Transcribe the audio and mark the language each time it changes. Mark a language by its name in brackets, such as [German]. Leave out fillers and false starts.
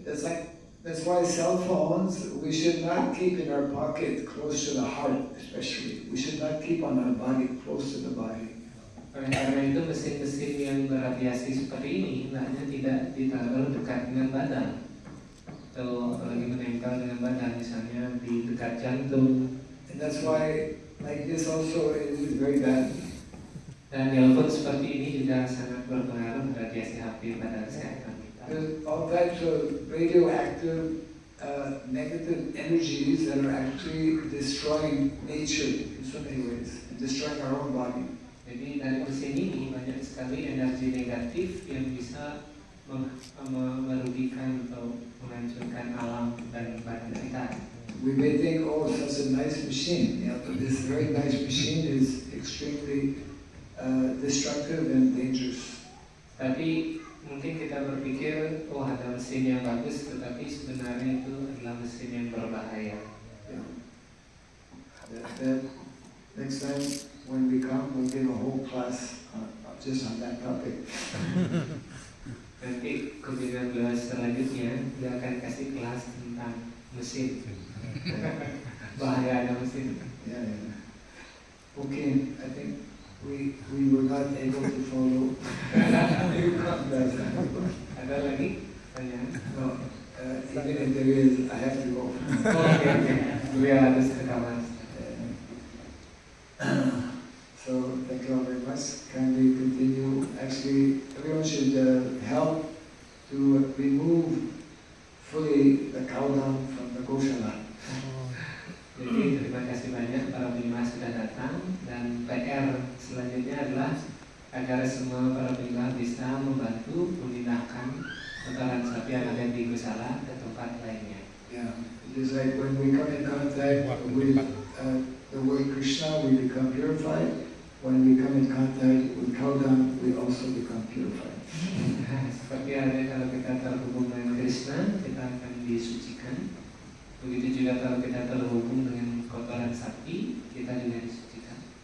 [English] That's like, that's why cell phones we should not keep in our pocket close to the heart, especially. We should not keep on our body close to the body. [Indonesian] Karena itu mesin-mesin yang beradiasi seperti ini hanya tidak ditaruh dekat dengan badan. Atau lagi menempel dengan badan, misalnya di dekat jantung. [English] And that's why like this also is very bad. [Indonesian] Dan telepon seperti ini juga sangat berpengaruh radiasi HP pada kesehatan kita. [English] All types of radioactive negative energies that are actually destroying nature in so many ways, destroying our own body. [Indonesian] Jadi dari mesin ini banyak sekali energi negatif yang bisa merugikan atau menghancurkan alam dan badan kita. [English] We may think, oh, such a nice machine, yeah, but this very nice machine is extremely destructive and dangerous. [Indonesian] Tapi mungkin kita berpikir, oh, ada mesin yang bagus, tetapi sebenarnya itu adalah mesin yang berbahaya. [English] Yeah. Next time, when we come, we'll give a whole class just on that topic. [Indonesian] Nanti kemudian beliau selanjutnya dia akan kasih kelas tentang mesin bahaya ada mesin. [English] Yeah. Okay, I think we were not able to follow. [Indonesian] Ada lagi? Tanya. [English] No. Even if there is, I have to go. Okay. We are just the commands. So thank you all very much. Can we continue? Actually, everyone should help to remove fully the cow dung from the goshala. [Indonesian] Jadi terima kasih banyak para bima sudah datang dan PR selanjutnya adalah agar semua para bima bisa membantu memindahkan setelan sapi yang ada di Gusala ke tempat lainnya. [English] It's like when we come in contact with the way Krishna, we become purified. When we come in contact with cow dung, we also become purified. [Indonesian] Seperti ada kalau kita terhubung dengan Krishna, kita akan disucikan. Begitu juga kalau kita terhubung dengan kotoran sapi, kita juga disucikan.